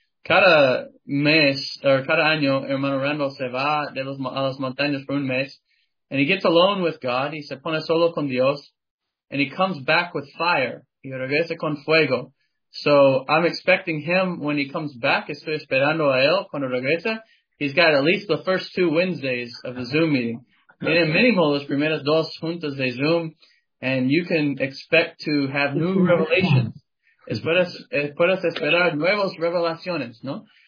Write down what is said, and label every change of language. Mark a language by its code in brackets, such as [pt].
[es] Cada mes, or cada año, hermano Randall se va de los, a las montañas por un mes [en] and he gets alone with God. He [es] se pone solo con Dios [en] and he comes back with fire. [es] Y regresa con fuego. [en] So I'm expecting him when he comes back. [es] Estoy esperando a él cuando regresa. [en] He's got at least the first two Wednesdays of the Zoom meeting. [es] En el mínimo los primeros dos juntas de Zoom. [en] And you can expect to have new revelations. [es] Puedes esperar nuevas revelaciones, ¿no?